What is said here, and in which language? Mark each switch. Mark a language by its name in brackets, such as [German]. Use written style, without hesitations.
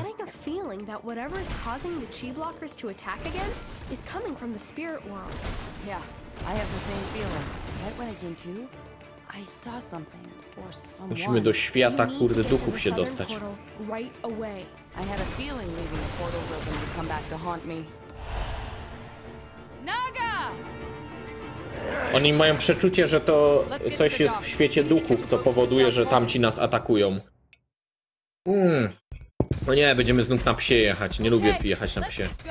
[English] Getting a feeling that whatever is causing the chi blockers to attack again is coming from the spirit world. Yeah, I have the same feeling. Right when I came to, I saw something or someone. [Polish] Musimy do świata, kurde, duchów się dostać. [English] Right away. I had a feeling leaving the portals open to come back to haunt me. [Polish] Naga! Oni mają przeczucie, że to coś jest w świecie duchów, co powoduje, że tamci nas atakują. No nie, będziemy znów na psie jechać. Nie lubię jechać na psie.